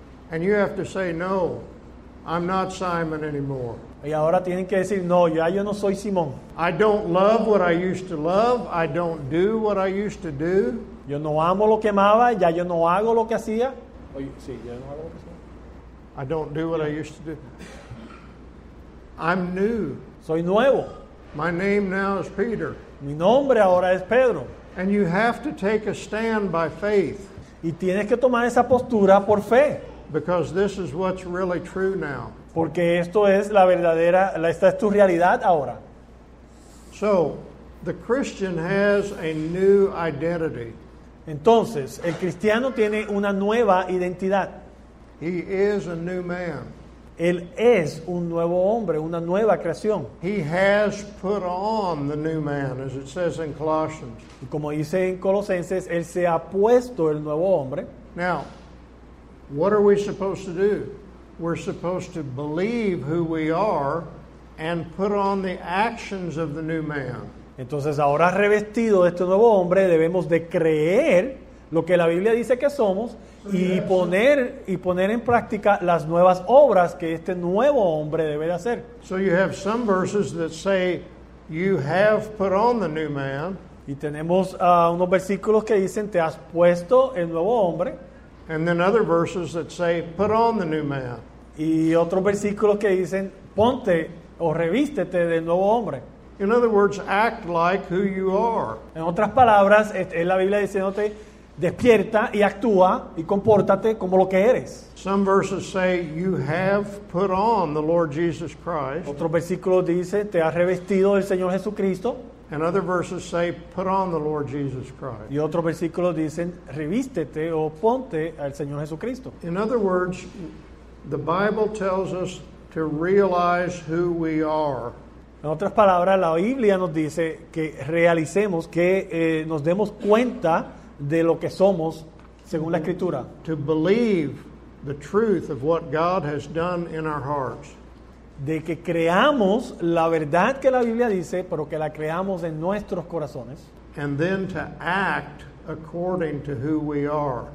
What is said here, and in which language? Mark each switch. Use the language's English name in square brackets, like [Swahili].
[English] And you have to say, no, I'm not Simon anymore. [Spanish] Y ahora tienen que decir, no, ya yo no soy Simón. [English] I don't love what I used to love. I don't do what I used to do. [Spanish] Yo no amo lo que amaba, ya yo no hago lo que hacía. Sí, ya no hago lo que hacía. [English] I don't do what I used to do. I'm new. [Spanish] Soy nuevo. [English] My name now is Peter. [Spanish] Mi nombre ahora es Pedro. [English] And you have to take a stand by faith. [Spanish] Y tienes que tomar esa postura por fe. [English] Because this is what's really true now. [Spanish] Porque esto es la verdadera, esta es tu realidad ahora. [English] So, the Christian has a new identity. [Spanish] Entonces, el cristiano tiene una nueva identidad. [English] He is a new man. [Spanish] Él es un nuevo hombre, una nueva creación. [English] He has put on the new man, as it says in Colossians. [Spanish] Y como dice en Colosenses, él se ha puesto el nuevo hombre. [English] Now, what are we supposed to do? We're supposed to believe who we are and put on the actions of the new man. [Spanish] Entonces, ahora revestido de este nuevo hombre, debemos de creer lo que la Biblia dice que somos. Y poner en práctica las nuevas obras que este nuevo hombre debe de hacer. [English] So you have some verses that say you have put on the new man. [Spanish] Y tenemos unos versículos que dicen te has puesto el nuevo hombre. [English] And then other verses that say put on the new man. [Spanish] Y otros versículos que dicen ponte o revístete del nuevo hombre. [English] In other words, act like who you are. [Spanish] En otras palabras, es la Biblia diciéndote, despierta y actúa y compórtate como lo que eres. [English] Some verses say you have put on the Lord Jesus Christ. [Spanish] Otro versículo dice, te has revestido del Señor Jesucristo. [English] And other verses say, put on the Lord Jesus Christ. [Spanish] Y otro versículo dice, revístete o ponte al Señor Jesucristo. [English] In other words, the Bible tells us to realize who we are. [Spanish] En otras palabras, la Biblia nos dice que realicemos, que nos demos cuenta de lo que somos según la Escritura. [English] To believe the truth of what God has done in our hearts. [Spanish] De que creamos la verdad que la Biblia dice, pero que la creamos en nuestros corazones. [English] And then to act according to who we are.